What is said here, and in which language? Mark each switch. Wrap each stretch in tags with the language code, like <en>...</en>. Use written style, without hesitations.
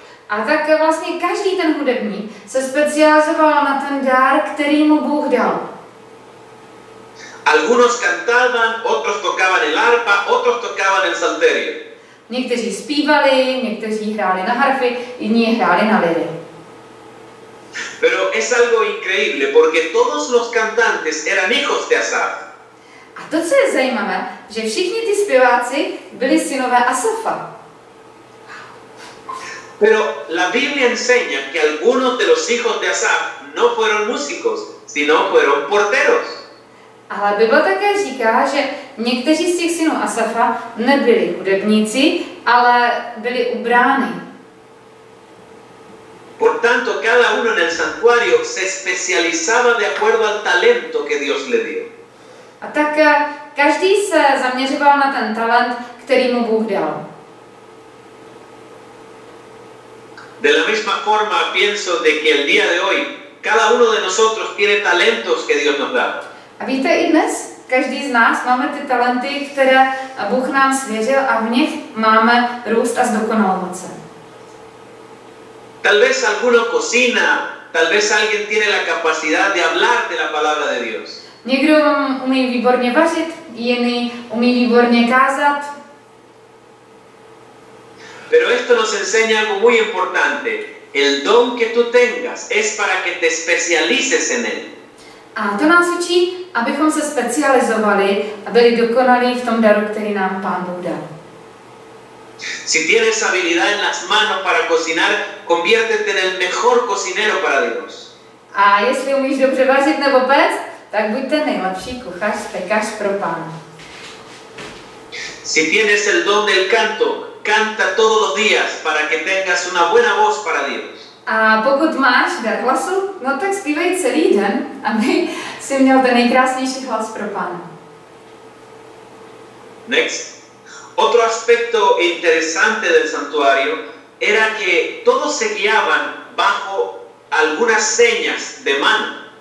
<cs>A tak vlastně každý ten hudebník se specializoval na ten dar, který mu Bůh dal.</cs> <es>Algunos cantaban, otros tocaban el arpa, otros tocaban el salterio.</es> <cs>Někteří zpívali, někteří hráli na harfy, jiní hráli na liry.</cs> <es>Pero es algo increíble porque todos los cantantes eran hijos de Asaf.</es> <cs>A to, co je zajímavé, že všichni ty zpěváci byli synové Asafa.</cs> <es>Pero la Biblia enseña que algunos de los hijos de Asaf no fueron músicos, sino fueron porteros.</es> <cs>Ale Bible také říká, že někteří z těch synů Asafa nebyli hudebníci, ale byli u brány.</cs> <es>Por tanto, cada uno en el santuario se especializaba de acuerdo al talento que Dios le dio.</es> <cs>A tak každý se zaměřoval na ten talent, který mu Bůh dal.</cs> <es>De la misma forma pienso de que el día de hoy cada uno de nosotros tiene talentos que Dios nos da.</es> <cs>A víte, i dnes každý z nás máme ty talenty, které Bůh nám svěřil a v nich máme růst a zdokonalovat se.</cs> <es>Tal vez alguno cocina, tal vez alguien tiene la capacidad de hablar de la palabra de Dios.</es> <cs>Někdo umí výborně vařit, jiný umí výborně kázat.</cs> <es>Pero esto nos enseña algo muy importante. El don que tú tengas es para que te especialices en él.</es> <cs>A to nás učí, abychom se specializovali a byli dokonalí v tom daru, který nám Pán Bůh dal.</cs> <es>Si tienes habilidad en las manos para cocinar, conviértete en el mejor cocinero para Dios.</es> <cs>A jestli umíš dobře vařit nebo péct, tak buďte nejlepší kuchař, pekař pro Pána.</cs> <es>Si tienes el don del canto, canta todos los días para que tengas una buena voz para Dios.</es> <cs>A pokud máš dar hlasu, no tak zpívej celý den, aby si měl ten nejkrásnější hlas pro Pána.</cs> <en>Next.</en> <es>Otro aspecto interesante del santuario era que todos se guiaban bajo algunas señas de mano.</es>